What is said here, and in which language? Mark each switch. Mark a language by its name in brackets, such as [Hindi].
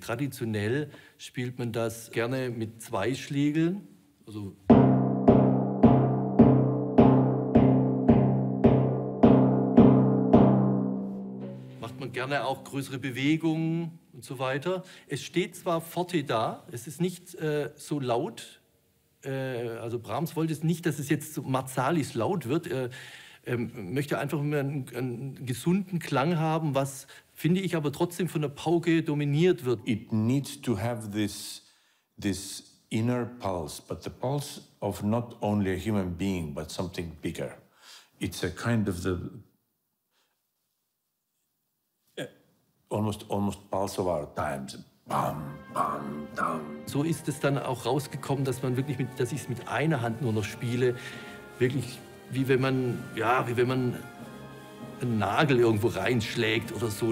[German] Traditionell spielt man das gerne mit zwei Schlägeln, also gerne auch größere Bewegungen und so weiter. Es steht zwar forte da, es ist nicht so laut. Also Brahms wollte es nicht, dass es jetzt so marzalis laut wird. Er möchte einfach mehr einen gesunden Klang haben, was, finde ich, aber trotzdem von der Pauke dominiert wird. [English] It needs to have this inner pulse, but the pulse of not only a human being, but something bigger. It's a kind of the almost pulse of our times. Bam, bam, bam. [German] So ist es dann auch rausgekommen, dass man wirklich, dass ich es mit einer Hand nur noch spiele. Wirklich wie wenn man einen Nagel irgendwo reinschlägt oder so.